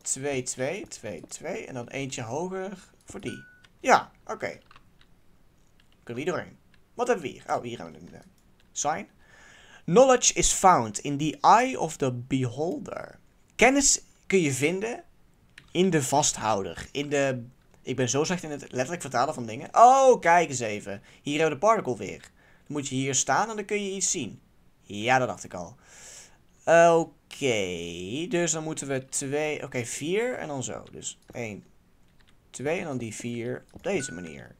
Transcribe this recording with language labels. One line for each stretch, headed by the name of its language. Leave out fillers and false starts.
Dutch: 2-2, 2-2, en dan eentje hoger voor die. Ja, oké. Okay. Kunnen we hier doorheen? Wat hebben we hier? Oh, hier hebben we een sign.
English: Knowledge is found in the eye of the beholder.
Dutch: Kennis kun je vinden in de vasthouder. In de... Ik ben zo slecht in het letterlijk vertalen van dingen. Oh, kijk eens even. Hier hebben we de particle weer. Dan moet je hier staan en dan kun je iets zien. Ja, dat dacht ik al. Oké. Dus dan moeten we 2, oké, 4 en dan zo. Dus 1, 2 en dan die 4 op deze manier.